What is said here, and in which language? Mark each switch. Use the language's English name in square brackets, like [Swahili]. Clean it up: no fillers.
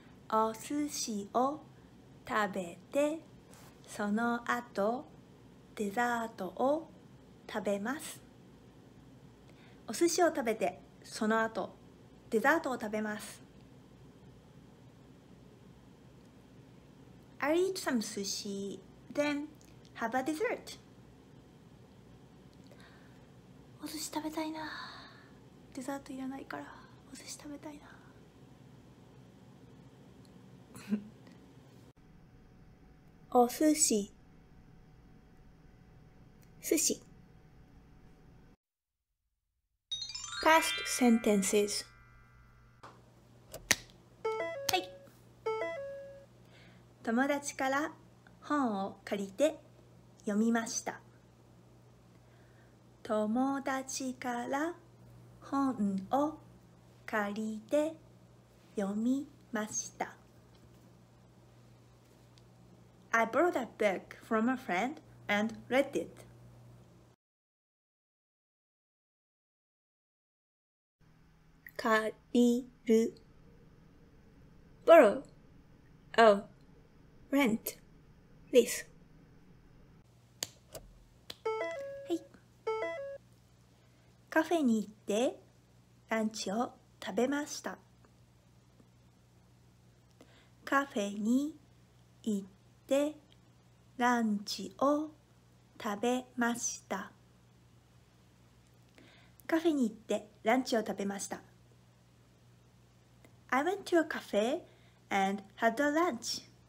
[Japanese] お寿司を食べて、その後デザートを食べます。お寿司を食べて、その後デザートを食べます。 [English] I'll eat some sushi, then have a dessert. [Japanese] お寿司食べたいな。デザートいらないから、お寿司食べたいな。お寿司。寿司。 [English] Past sentences. [Japanese] はい。友達から本を借りて読みました。友達から本を借りて読みました。 [English] I brought a book from a friend and read it. 借りる Borrow Oh Rent This [Japanese] はい。カフェに行ってランチを食べました。カフェに行ってで、ランチを食べました。カフェに行ってランチを食べました。 [English] I went to a cafe and had a lunch.